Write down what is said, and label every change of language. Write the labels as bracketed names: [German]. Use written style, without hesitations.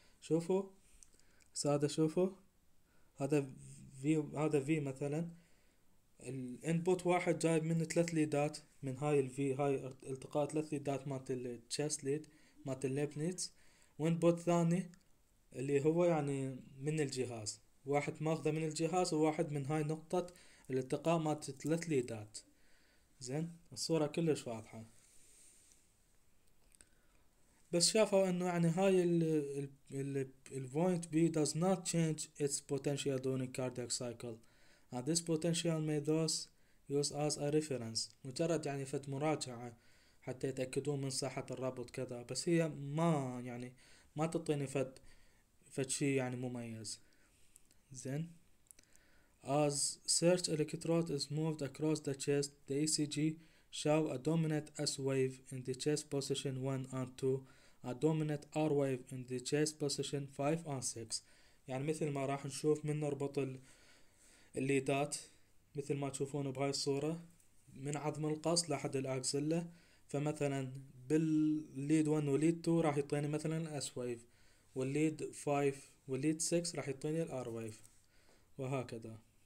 [Arabic] شوفوا سادة، شوفوا هذا في مثلا، الانبوت واحد جايب من 3 ليدات من هاي الفي، هاي التقاء 3 ليدات مالت التشيست ليد مالت الليبنيتس، وانبوت ثاني اللي هو يعني من الجهاز، واحد ماخذه من الجهاز وواحد من هاي نقطة الالتقاء مالت 3 ليدات. زين، الصورة كلش واضحة، بس شافوا انه يعني هاي ال [English] point B does not change its potential during cardiac cycle and this potential may thus use as a reference. [Arabic] مجرد يعني فت مراجعة حتى يتأكدون من صحة الربط كذا، بس هي ما يعني ما تعطيني فت شي يعني مميز. [English] زين، As search electrode is moved across the chest, the ECG show a dominant S wave in the chest position 1 and 2, a dominant R wave in the chest position 5 and 6. [Arabic] يعني مثل ما راح نشوف من نربط الليدات مثل ما تشوفون بهاي الصورة من عظم القص لحد الأكسلة، فمثلا بالليد 1 وليد 2 راح يعطيني مثلا S wave، والليد 5 والليد 6 راح يعطيني R wave وهكذا.